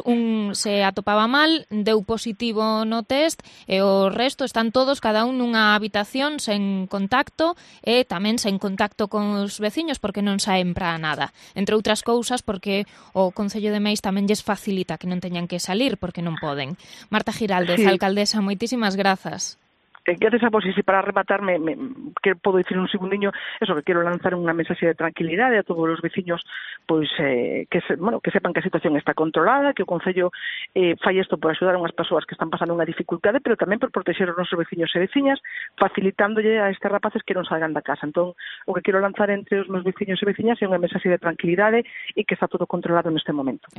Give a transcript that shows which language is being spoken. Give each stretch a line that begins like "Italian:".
Galician: Un se atopaba mal, deu positivo no test, e o resto están todos, cada un nunha habitación, sen contacto, e tamén sen contacto con os veciños, porque non saen para nada. Entre outras cousas, porque o Concello de Meis tamén lles facilita que non teñan que salir, porque non poden. Marta Giraldez, sí, Alcaldesa, moitísimas grazas.
Spanish: Gracias a vos. Y si para rematar, ¿qué puedo decir en un segundinho? Eso, que quiero lanzar una mensaje de tranquilidad a todos los vecinos, pues que sepan que
Galician: a situación está controlada, que o Concello fai isto por axudar a unhas persoas que están pasando unha dificultade, pero tamén por proteger os nosos veciños e veciñas, facilitándolle a estes rapaces que non salgan da casa. Entón, o que quero lanzar entre os meus veciños e veciñas é unha mensaxe de tranquilidade e que está todo controlado neste momento.